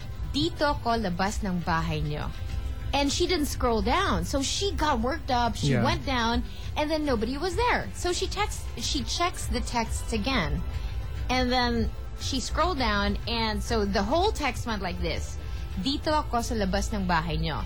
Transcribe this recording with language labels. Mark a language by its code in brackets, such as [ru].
[tl] Dito ko labas ng bahay niyo. [en] And she didn't scroll down. So she got worked up. She went down. And then nobody was there. So she checks the text again. And then she scrolled down. And so the whole text went like this. [tl] Dito ako sa labas ng bahay niyo.